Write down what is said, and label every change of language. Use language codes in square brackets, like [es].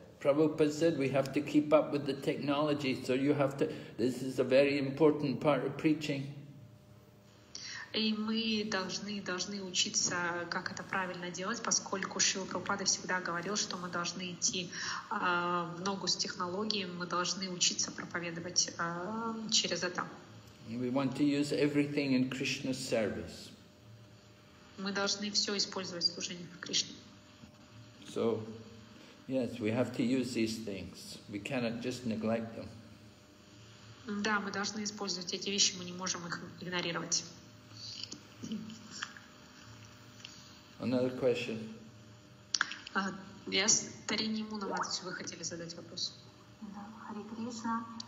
[en] Prabhupada said we have to keep up with the technology. So you have to. This is a very important part of preaching. [ru] И мы должны учиться, как это правильно делать, поскольку Шрила Прабхупада всегда говорил, что мы должны идти в ногу с технологиями, мы должны учиться проповедовать через это. [en] We want to use everything in Krishna's service. [ru] Мы должны все использовать в служении Кришне. [en] So, yes, we have to use these things. We cannot just neglect them. [ru] Да, мы должны использовать эти вещи, мы не можем их игнорировать. [en] Another question. [ru] Yes, Тарини Мунамадж, вы хотели задать вопрос. Да, Хари Кришна.